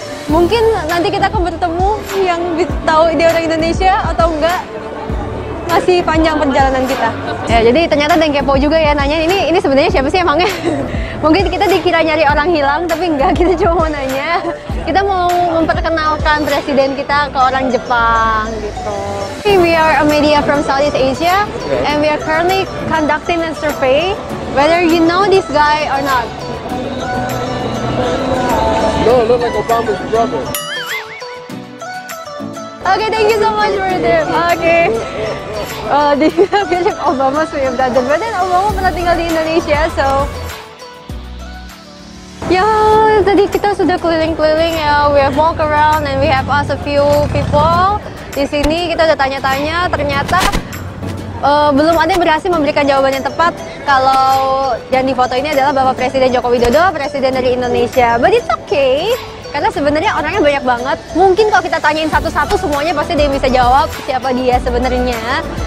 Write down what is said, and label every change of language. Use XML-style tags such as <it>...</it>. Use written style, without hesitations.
<id>Mungkin nanti kita akan bertemu yang tahu dia orang Indonesia atau enggak. Masih panjang perjalanan kita. Ya, jadi ternyata ada yang kepo juga ya nanya ini sebenarnya siapa sih emangnya? Mungkin kita dikira nyari orang hilang tapi enggak, kita cuma mau nanya. Kita mau memperkenalkan presiden kita ke orang Jepang gitu.</id> <en>We are a media from Southeast Asia and we are currently conducting a survey whether you know this guy or not. No, look like Obama's brother. Okay, thank you so much for that. Okay.</en> <id>Philip Obama sih yang datang,</id> <en>but then</en> <id>Obama pernah tinggal di Indonesia, so. Ya, tadi kita sudah keliling-keliling ya.</id> <en>We have walk around and we have asked a few people</en> <id>di sini. Kita sudah tanya-tanya, ternyata belum ada yang berhasil memberikan jawaban yang tepat. Kalau yang di foto ini adalah Bapak Presiden Joko Widodo, Presiden dari Indonesia.</id> <en>But it's okay,</en> <id>karena sebenarnya orangnya banyak banget. Mungkin kalau kita tanyain satu-satu semuanya pasti dia bisa jawab siapa dia sebenarnya.</id>